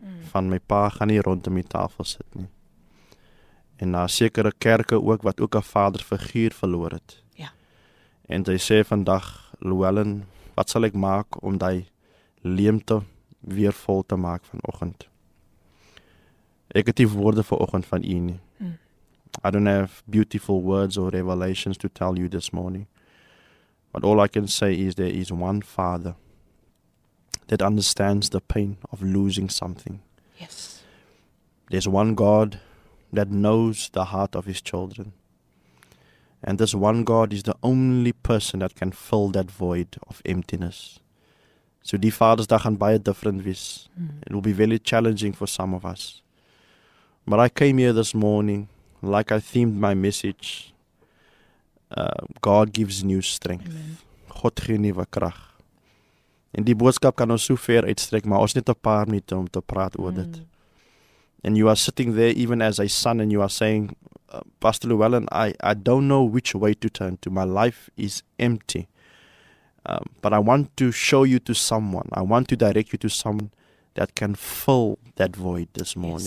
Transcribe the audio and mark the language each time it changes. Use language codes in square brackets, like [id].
[af] Van my pa gaan nie rondom die tafel sit nie. En na sekere kerke ook, wat ook 'n vaderfiguur verloor het. En sy sê vandag, Llewellyn, wat sal ek maak om die leemte weer vol te maak vanoggend? Ek het die woorde vanoggend van u nie. [en] I don't have beautiful words or revelations to tell you this morning. But all I can say is there is one Father. that understands the pain of losing something. Yes. There's one God that knows the heart of his children. And this one God is the only person that can fill that void of emptiness. [af] So die Vadersdag gaan baie different wees. [en] Mm. It will be very challenging for some of us. But I came here this morning, like I themed my message, God gives new strength. Amen. [af] God gee nuwe krag. En die boodskap kan ons so ver uitstrek, maar ons net 'n paar minute om te praat oor dit. [en] And you are sitting there even as a son and you are saying, Pastor Llewellyn, I don't know which way to turn to. My life is empty. But I want to show you to someone. I want to direct you to someone that can fill that void this morning.